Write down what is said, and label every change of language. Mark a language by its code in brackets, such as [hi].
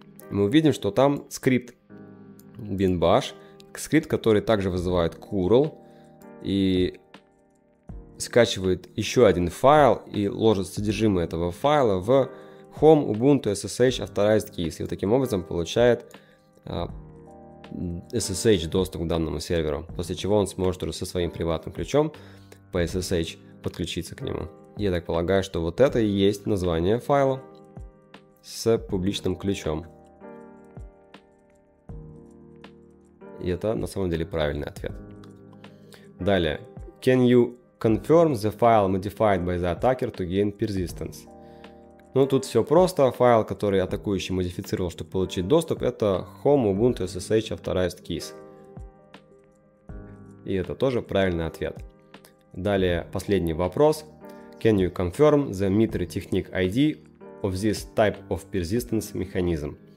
[ru] Мы увидим, что там скрипт binbash, скрипт, который также вызывает curl и скачивает еще один файл и ложит содержимое этого файла в home ubuntu ssh authorized keys, и таким образом получает SSH доступ к данному серверу, после чего он сможет уже со своим приватным ключом по SSH подключиться к нему. Я так полагаю, что вот это и есть название файла с публичным ключом. И это на самом деле правильный ответ. Далее. [en] Can you confirm the file modified by the attacker to gain persistence? [ru] Ну, тут все просто. Файл, который атакующий модифицировал, чтобы получить доступ, это home ubuntu ssh authorized keys. И это тоже правильный ответ. Далее, последний вопрос. [en] Can you confirm the MITRE technique ID of this type of persistence mechanism?